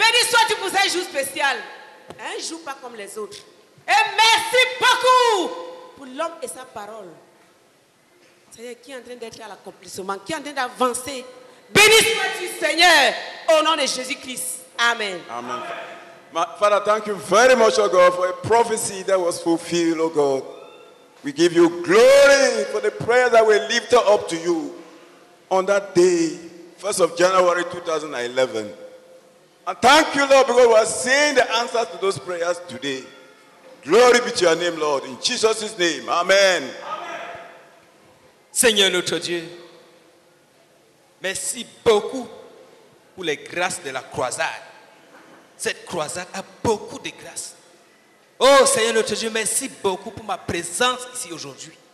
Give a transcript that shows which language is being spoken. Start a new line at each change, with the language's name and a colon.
French: Sois-tu pour un jour spécial, un jour pas comme les autres. Et merci beaucoup pour l'homme et sa parole. Seigneur, qui est en train d'être à l'accomplissement, qui est en train d'avancer. Béni sois-tu, Seigneur, au nom de Jésus-Christ. Amen. Amen. Amen.
English: Father, thank you very much, oh God, for a prophecy that was fulfilled, oh God. We give you glory for the prayer that we lifted up to you on that day, 1st of January 2011. And thank you, Lord, because we are seeing the answers to those prayers today. Glory be to your name, Lord. In Jesus' name, amen.
French: Seigneur notre Dieu, merci beaucoup pour les grâces de la croisade. Cette croisade a beaucoup de grâces. Oh, Seigneur notre Dieu, merci beaucoup pour ma présence ici aujourd'hui.